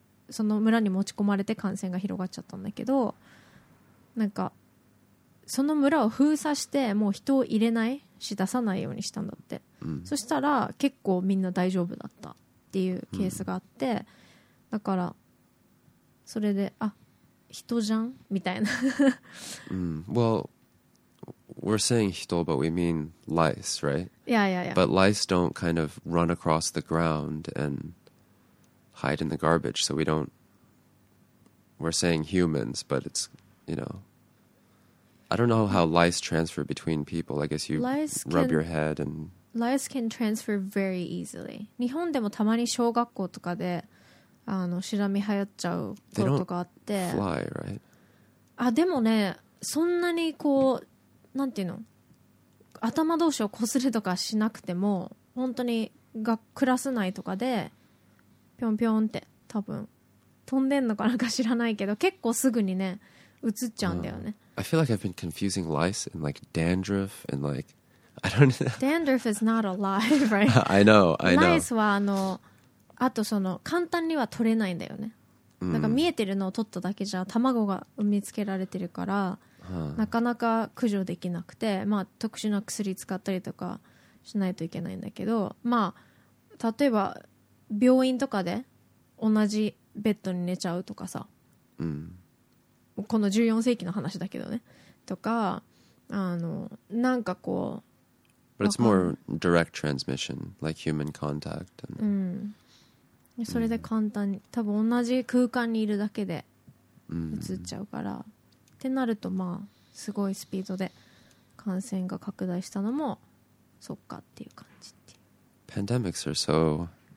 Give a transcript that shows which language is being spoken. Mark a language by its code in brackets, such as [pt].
[ja] その村に持ち込まれて感染が広がっちゃったんだけど、なんかその村を封鎖してもう人を入れないし出さないようにしたんだって、うん、そしたら結構みんな大丈夫だったっていうケースがあって、うん、だからそれで、あ、人じゃんみたいな、うん、 [en] Well, we're saying [ja] 人 [en] but we mean lice, right? Yeah, yeah, yeah. But lice don't kind of run across the ground andhide in the garbage, so we don't, we're saying humans, but it's, you know, I don't know how lice transfer between people. I guess you lice rub can, your head and... Lice can transfer very easily. [ja] 日本でもたまに小学校とかで、あの、シラミ流行っちゃうこととかあって。 [en] They don't fly, right? [ja] あ、でもね、そんなにこう、なんていうの、頭同士を擦るとかしなくても、本当にがクラス内とかで、ぴょんぴょんって多分飛んでんのかなんか知らないけど、結構すぐにね移っちゃうんだよね。 [en] I feel like I've been confusing lice and like dandruff and like I don't know. Dandruff is not alive, right? I know, I know. [ja] Lice はあの、あとその簡単には取れないんだよね、mm. なんか見えてるのを取っただけじゃ卵が産みつけられてるから、なかなか駆除できなくて、まあ特殊な薬使ったりとかしないといけないんだけど、まあ例えば病院とかで同じベッドに寝ちゃうとかさ、うん、この14世紀の話だけどね、とか、あの、なんかこう、 [en] But it's more direct transmission, like human contact. [ja] うん、それで簡単に、多分同じ空間にいるだけで移っちゃうから、うん、ってなるとまあすごいスピードで感染が拡大したのもそっかっていう感じって。 [en] Pandemics are so...